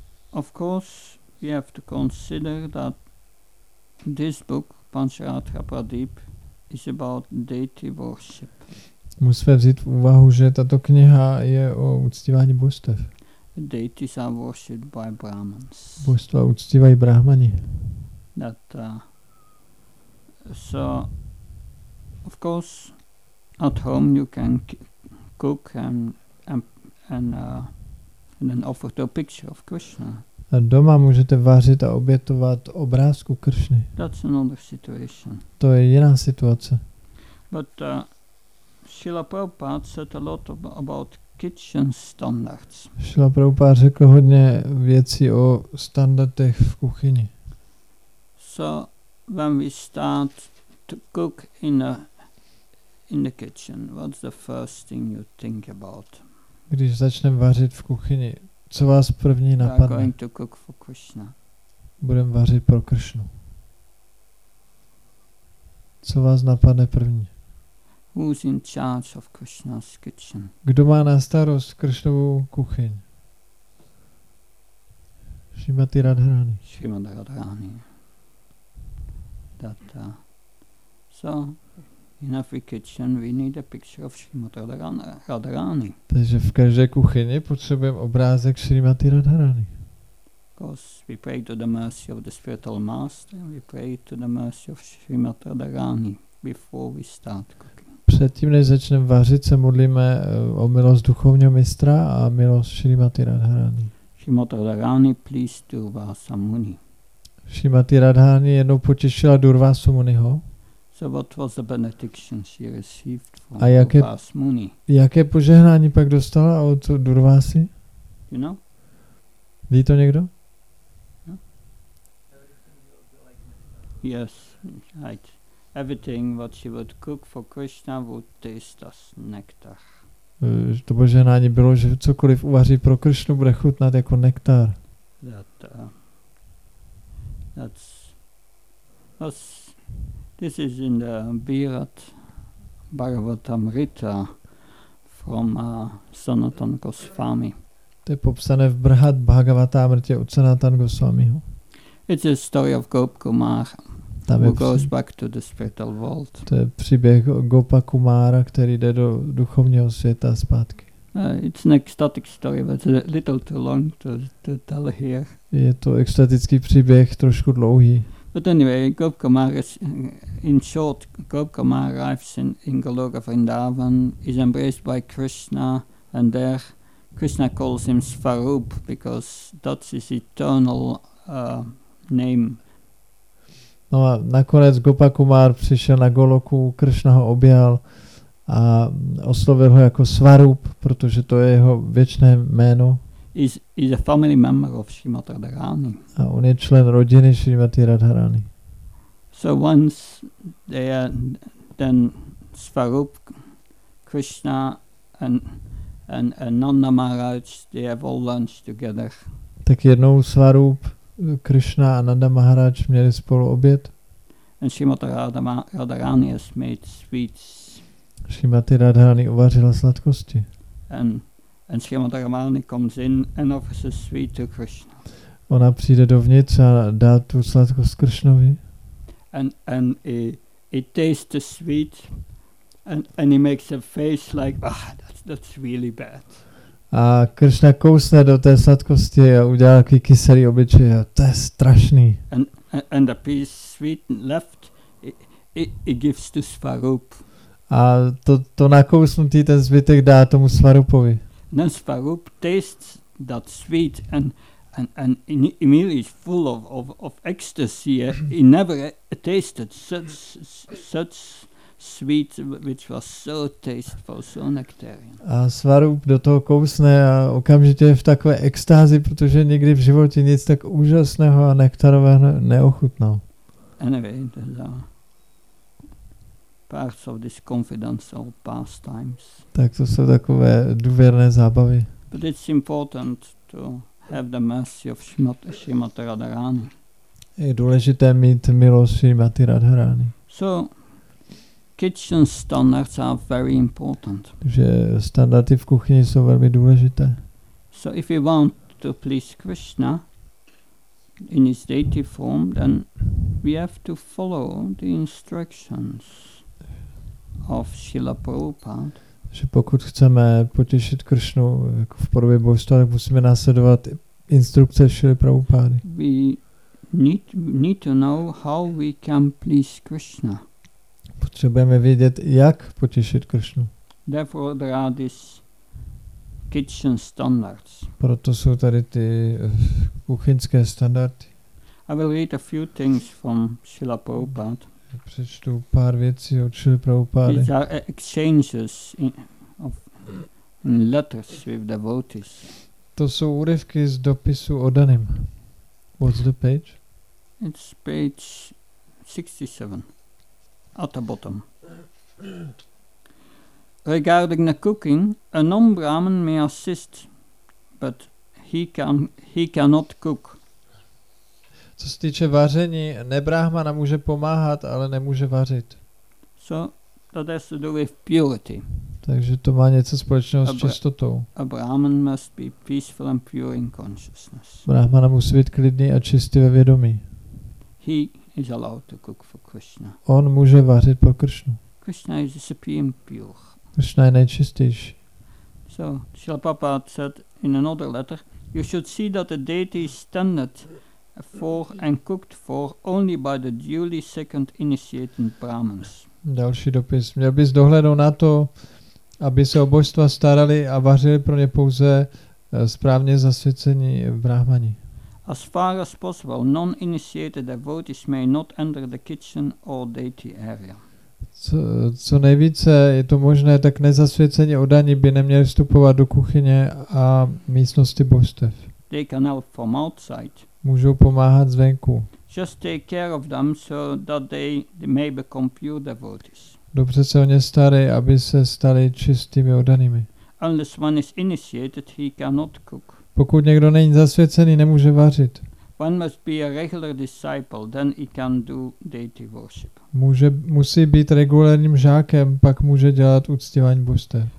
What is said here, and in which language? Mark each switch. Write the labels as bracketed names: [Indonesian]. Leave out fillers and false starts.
[English] Of course we have to consider that this book Panchratra Pradip is about deity worship. [Czech] Musíme vzít v úvahu, že tato kniha je o uctívání božstev. [English] Deities are worshipped by Brahmans. [Czech] Božstva uctívají Brahmani. [English] That, so, of course, at home you can cook and then offer the picture of Krishna. [Czech] A doma můžete vařit a obětovat obrázku Kršny. [English] That's another situation. [Czech] To je jiná situace. [English] But Srila Prabhupada said a lot about kitchen standards. [Czech] Srila Prabhupada řekl hodně věcí o standardech v kuchyni. [English] So when we start to cook in the kitchen, what's the first thing you think about? [Czech] Když začneme vařit v kuchyni, co vás první napadne? [English] Going to cook for Krishna. [Czech] Budem vařit pro Kršnu. Co vás napadne první? [English] Who's in charge of Krishna's kitchen? [Czech] Kdo má na starost Kršnovou kuchyň? [English] Srimati Radharani. [Czech] Srimati Radharani. [English] That, so, in every kitchen we need a picture of Srimati Radharani. [Czech] Takže v každé kuchyni potřebujeme obrázek Srimati Radharani. [English] Because we pray to the mercy of the spiritual master, we pray to the mercy of Srimati Radharani before we start cooking. [Czech] Předtím, než začneme vařit, se modlíme o milost duchovního mistra a milost Srimati Radharani. [English] Srimati Radharani, please do Vasa Muni. [Czech] Srimati Radharani jednou potěšila Durvasu Muniho. [English] So what was the benediction she received from Vasa Muni? [Czech] Jaké požehnání pak dostala od Durvasy? [English] You know? [Czech] Ví to někdo? [English] No? Yes, right. Everything what she would cook for Krishna would taste as nectar. [Czech] To požehnání bylo, že cokoliv uvaří pro Krishnu bude chutnat jako nektar. [English] That, that's this is in the Bhagavad Bhagavatamrita from Sanatan Goswami. [Czech] To je popsané v Brhat Bhagavatamrtě od Sanatan Goswamiho. [English] It's a story of Gopa Kumar. Who goes back to the spiritual world. [Czech] To je příběh Gopa Kumára, který jde do duchovního světa zpátky. [English] It's an ecstatic story, but it's a little too long to tell here. [Czech] Je to extatický příběh, trošku dlouhý. [English] But anyway, Gopa Kumara is, in short, Gopa Kumara arrives in Goloka Vrindavan, is embraced by Krishna, and there Krishna calls him Svarup, because that's his eternal name. [Czech] No a nakonec Gopa Kumar přišel na Goloku, Kršna ho objal a oslovil ho jako Svarup, protože to je jeho věčné jméno. [English] Is a family member of Srimati Radharani. [Czech] A on je člen rodiny Srimati Radharani. [English] So once they then Svarup, Krishna and Nanda Maharaj, they have all lunch together. [Czech] Tak jednou Svarup, Krishna a Nanda Maharaj měli spolu oběd. [English] And Srimati Radharani has made sweets. [Czech] Srimati Radharani uvařila sladkosti. [English] And Srimati Radharani comes in and offers a sweet to Krishna. [Czech] Ona přijde dovnitř a dá tu sladkost Krishnovi. [English] And he tastes the sweet and he makes a face like, ah, that's really bad. [Czech] A Krishna kousne do té sladkosti a udělá takový kyselý obličej. To je strašný. [English] And the piece sweet left, it gives to Svarup. [Czech] A to nakousnutý ten zbytek dá tomu Svarupovi. [English] Then Svarup tastes that sweet and immediately is full of ecstasy. He never tasted such sweet, which was so tasteful, so nectarian. [Czech] A Svarup do toho kousne a okamžitě je v takové extázi, protože nikdy v životě nic tak úžasného a nektarového neochutnal. [English] Anyway, there's parts of this confidence of past times. [Czech] Tak to jsou takové důvěrné zábavy. [English] But it's important to have the mercy of Srimati Radharani. [Czech] Je důležité mít milost Srimati Radharani. [English] So, kitchen standards are very important. [Czech] Že standardy v kuchyni jsou velmi důležité. [English] So if you want to please Krishna in his deity form, then we have to follow the instructions of Srila Prabhupada. [Czech] Že pokud chceme potěšit Kršnu jako v podobě božstva, tak musíme následovat instrukce Šrily Prabhupády. [English] We need to know how we can please Krishna. [Czech] Potřebujeme vědět, jak potěšit Kršnu. [English] Therefore there are these kitchen standards. [Czech] Proto jsou tady ty kuchyňské standardy. [English] I will read a few things from Srila Prabhupada. [Czech] Přečtu pár věcí od Šrily Prabhupády. [English] These are exchanges in letters with devotees. [Czech] To jsou úryvky z dopisu Odanim. [English] What's the page? It's page 67 at the bottom. Regarding the cooking, a non-brahman may assist, but he cannot cook. [Czech] Co se týče vaření, nebrahmana může pomáhat, ale nemůže vařit. [English] So that has to do with purity. [Czech] Takže to má něco společného s čistotou. [English] A brahman must be peaceful and pure in consciousness. [Czech] Brahmana musí být klidný a čistý ve vědomí. [English] He is allowed to cook for Krishna. [Czech] On může vařit pro Krishnu. [English] Krishna is supreme pure. [Czech] Krishna je nejčistější. [English] So, Srila Prabhupada said in another letter, you should see that the deity is standard for and cooked for only by the duly second initiating brahmans. [Czech] Další dopis. Měl bys dohlednout na to, aby se o božstva starali a vařili pro ně pouze správně zasvěcení brahmani. [English] As far as possible, non-initiated devotees may not enter the kitchen or deity area. [Czech] Co nejvíce je to možné, tak nezasvěcení odani by neměli vstupovat do kuchyně a místnosti božstev. [English] They can help from outside. [Czech] Můžou pomáhat zvenku. [English] Just take care of them so that they may become pure devotees. [Czech] Dobře se o ně starej, aby se stali čistými oddanými. [English] Unless one is initiated, he cannot cook. [Czech] Pokud někdo není zasvěcený, nemůže vařit. [English] One must be a regular disciple, then he can do deity worship. [Czech] Musí být regulárním žákem, pak může dělat uctívání božstev.